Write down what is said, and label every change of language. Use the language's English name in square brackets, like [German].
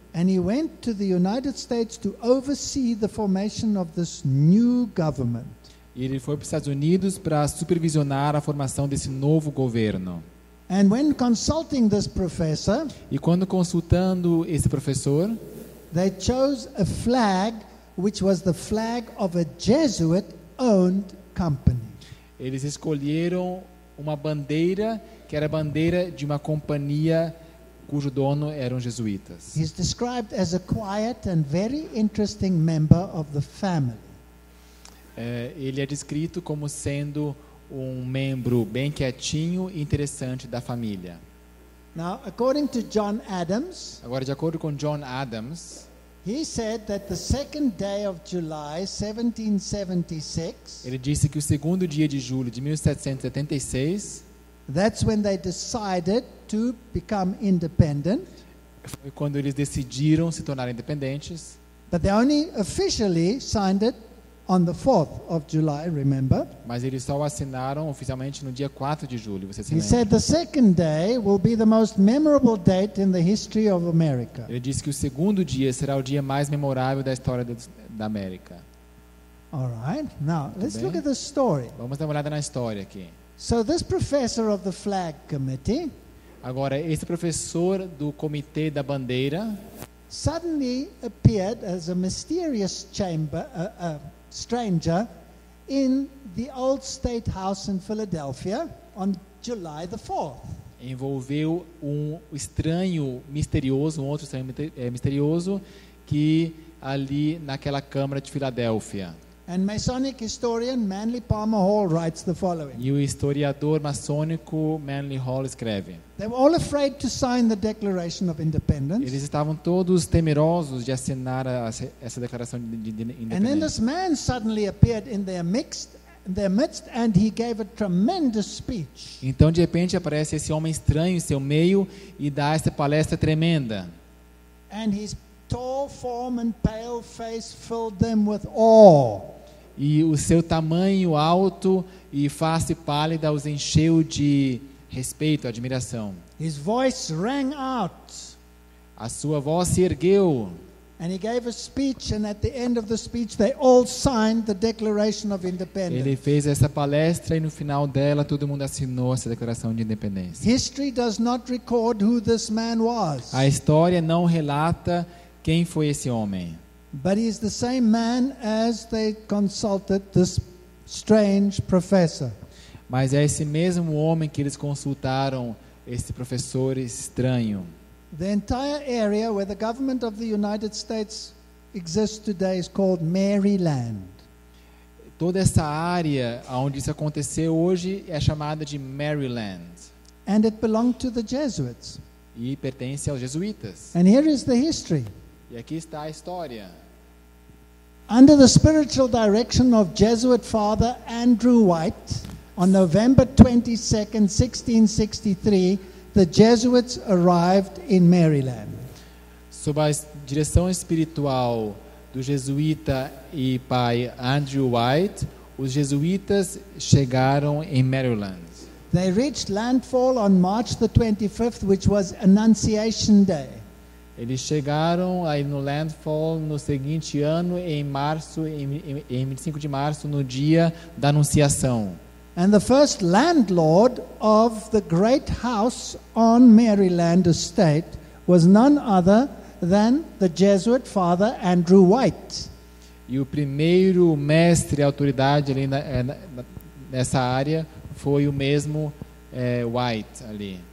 [English] And he went to the United States to oversee the formation of this new government. [Portuguese] E ele foi para os Estados Unidos para supervisionar a formação desse novo governo. [English] And when consulting this professor, [Portuguese] e quando consultando esse professor, [English] they chose a flag which was the flag of a Jesuit-owned company. [Portuguese] Eles escolheram uma bandeira que era a bandeira de uma companhia cujo dono eram jesuítas. [English] He's described as a quiet and very interesting member of the family. [Portuguese] Ele é descrito como sendo um membro bem quietinho e interessante da família. [English] Now, according to John Adams, [Portuguese] agora, de acordo com John Adams, [English] he said that the second day of July, 1776, [Portuguese] ele disse que o segundo dia de julho de 1776, [English] that's when they decided to become independent, [Portuguese] foi quando eles decidiram se tornar independentes, [English] but they only officially signed it on the 4th of July, remember? [Portuguese] Mas eles só assinaram oficialmente no dia 4 de julho, você se lembra? [English] He said the second day will be the most memorable date in the history of America. [Portuguese] Ele disse que o segundo dia será o dia mais memorável da história da América. [English] All right. Now, let's look at the story. [Portuguese] Vamos dar uma olhada na história aqui. [English] So this professor of the flag committee, [Portuguese] agora esse professor do comitê da bandeira, [English] suddenly appeared as a mysterious chamber stranger in the old state house in Philadelphia on July the 4th. [Portuguese] Envolveu um estranho misterioso, um outro estranho misterioso que ali naquela câmara de Filadélfia. [English] And Masonic historian Manly Palmer Hall writes the following. [Portuguese] E o historiador maçônico Manly Hall escreve. [English] They were all afraid to sign the Declaration of Independence. [Portuguese] Eles estavam todos temerosos de assinar essa declaração de independência. [English] And then this man suddenly appeared in their midst and he gave a tremendous speech. [Portuguese] Então de repente aparece esse homem estranho em seu meio e dá essa palestra tremenda. [English] And his tall form and pale face filled them with awe. [Portuguese] E o seu tamanho alto e face pálida os encheu de respeito, admiração. [English] His voice rang out. [Portuguese] A sua voz se ergueu. [English] And he gave a speech, and at the end of the speech, they all signed the Declaration of Independence. [Portuguese] Ele fez essa palestra e no final dela todo mundo assinou essa Declaração de Independência. [English] History does not record who this man was. [Portuguese] A história não relata quem foi esse homem. [English] But he is the same man as they consulted this strange professor. [Portuguese] Mas é esse mesmo homem que eles consultaram, esse professor estranho. [English] The entire area where the government of the United States exists today is called Maryland. [Portuguese] Toda essa área onde isso aconteceu hoje é chamada de Maryland. [English] And it belonged to the Jesuits. [Portuguese] E pertence aos jesuítas. [English] And here is the history. [Portuguese] E aqui está a história. [English] Under the spiritual direction of Jesuit Father Andrew White, on November 22, 1663, the Jesuits arrived in Maryland. [Portuguese] Sob a direção espiritual do jesuíta e pai Andrew White, os jesuítas chegaram em Maryland. [English] They reached landfall on March the 25th, which was Annunciation Day. [Portuguese] Eles chegaram aí no landfall no seguinte ano, em março, em 25 de março, no dia da Anunciação. [English] And the first landlord of the great house on Maryland estate was none other than the Jesuit Father Andrew White. [Portuguese] E o primeiro mestre, autoridade ali nessa área foi o mesmo White ali.